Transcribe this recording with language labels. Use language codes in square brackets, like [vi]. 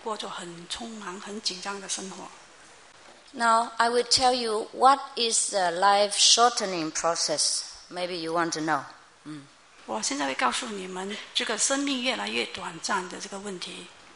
[zh] 我们人的寿命是越来越短暂，因为我们是从一个轮回进入到另一个轮回，因为我们过着很匆忙、很紧张的生活。 [en] Now, I will tell you what is the life shortening process. Maybe you want to know. [zh] 我现在会告诉你们这个生命越来越短暂的这个问题。